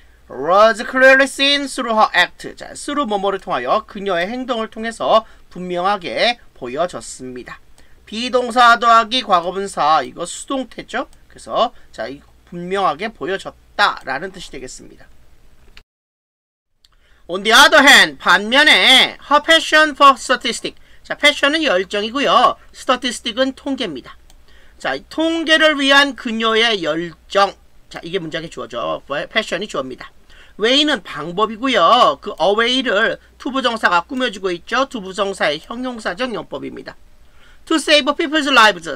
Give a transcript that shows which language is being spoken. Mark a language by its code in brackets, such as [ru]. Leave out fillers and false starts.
[en] was clearly seen through her act. [ko] 자, through 뭐뭐를 통하여 그녀의 행동을 통해서 분명하게 보여졌습니다. 비동사 더하기 과거분사 이거 수동태죠. 그래서 자, 이 분명하게 보여졌다 라는 뜻이 되겠습니다. [en] On the other hand, [ko] 반면에 [en] her passion for statistics. [ko] 자, passion은 열정이고요. statistics은 통계입니다. 자, 통계를 위한 그녀의 열정. 자, 이게 문장에 주어져. 패션이 주어입니다. 웨이는 방법이고요. 그 어웨이를 투부정사가 꾸며주고 있죠. 투부정사의 형용사적 용법입니다. [en] To save people's lives.